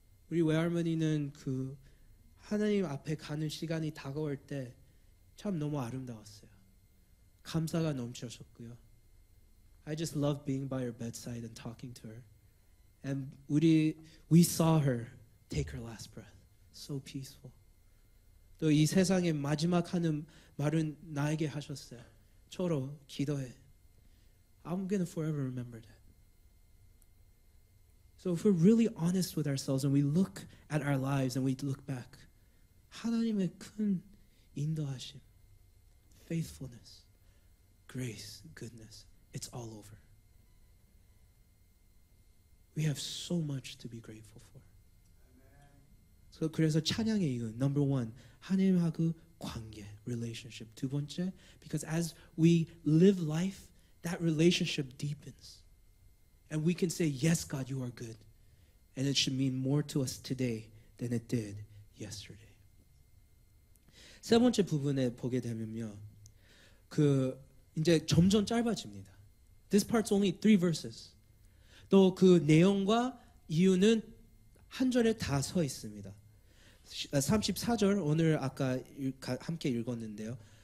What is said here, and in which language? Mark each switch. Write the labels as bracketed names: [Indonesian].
[Korean] 우리 way-harmony는 그 하나님 앞에 가는 시간이 다가올 때 참 너무 아름다웠어요. 감사가 넘쳐졌고요. [English] I just love being by her bedside and talking to her. And we saw her take her last breath. So peaceful. [Korean] 또 이 세상에 마지막 하는 말은 나에게 하셨어요. 초로 기도해. [English] I'm gonna forever remember that. So if we're really honest with ourselves and we look at our lives and we look back, [Korean] 하나님의 큰 인도하심, [English] faithfulness, grace, goodness, it's all over. We have so much to be grateful for. Amen. So [Korean] 그래서 찬양의 이유는 [English] number one, [Korean] 하나님하고 관계, [English] relationship. [Korean] 두 번째, [English] because as we live life, that relationship deepens. And we can say, yes, God, you are good. And it should mean more to us today than it did yesterday. [Korean] 세 번째 부분에 보게 되면요, 그 이제 점점 짧아집니다. [English] This part's only 3 verses. [Korean] 또 그 내용과 이유는 한 절에 다 서 있습니다. 34절 오늘 아까 함께 읽었는데요.